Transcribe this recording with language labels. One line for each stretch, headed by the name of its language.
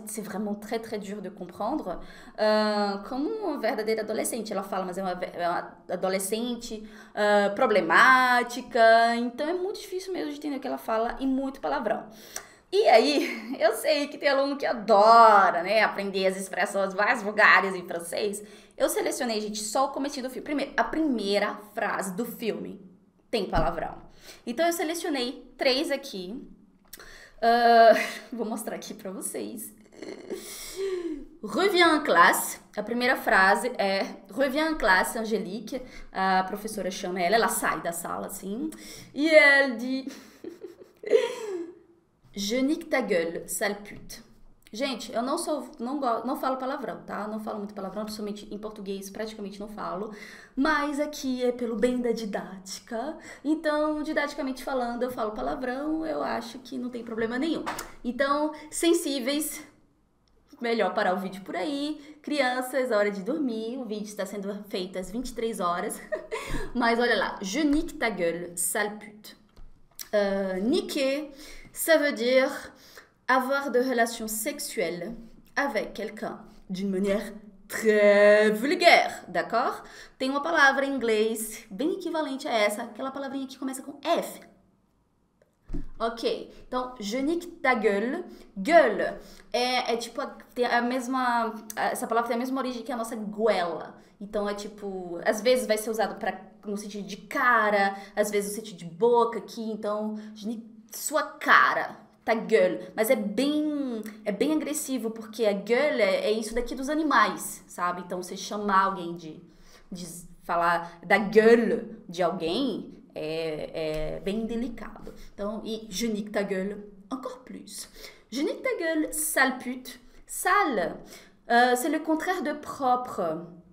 French: C'est vraiment très, très dur de comprendre. Comme une
Portuguese: verdadeira adolescente. Ela fala, mas é uma adolescente problemática. Então é muito difícil mesmo de entender o que ela fala e muito palavrão. E aí, eu sei que tem aluno que adora, né, aprender as expressões mais vulgares em francês. Eu selecionei, gente, só o comecinho do filme. Primeiro, a primeira frase do filme tem palavrão. Então, eu selecionei três aqui. Vou mostrar aqui pra vocês.
French: Reviens en classe.
Portuguese: A primeira frase é
French: Reviens en classe, Angélique.
Portuguese: A professora chama ela sai da sala, assim. E ela diz...
French: Je nique ta gueule, sale pute.
Portuguese: Gente, eu não sou, não falo palavrão, tá? Não falo muito palavrão, principalmente em português, praticamente não falo. Mas aqui é pelo bem da didática. Então, didaticamente falando, eu falo palavrão, eu acho que não tem problema nenhum. Então, sensíveis, melhor parar o vídeo por aí. Crianças, hora de dormir. O vídeo está sendo feito às 23 horas. Mas olha lá,
French: je nique ta gueule, sale pute.
Portuguese: Niquer.
French: Ça veut dire avoir de relations sexuelles avec quelqu'un d'une manière très vulgaire, d'accord?
Portuguese: Tem uma palavra em inglês bem equivalente a essa, aquela palavrinha que começa com F. Ok, então,
French: je nique ta gueule.
Portuguese: Gueule é tipo, tem a mesma, essa palavra tem a mesma origem que a nossa guela. Então, é tipo, às vezes vai ser usado pra, no sentido de cara, às vezes no sentido de boca aqui, então,
French: je nique
Portuguese: sua cara,
French: ta gueule,
Portuguese: mas é bem agressivo porque a gueule é isso daqui dos animais, sabe? Então você chamar alguém de falar da gueule de alguém é bem delicado. Então, e
French: je nique ta gueule encore plus. Je nique ta gueule, sale pute. Sale, c'est le contraire de propre.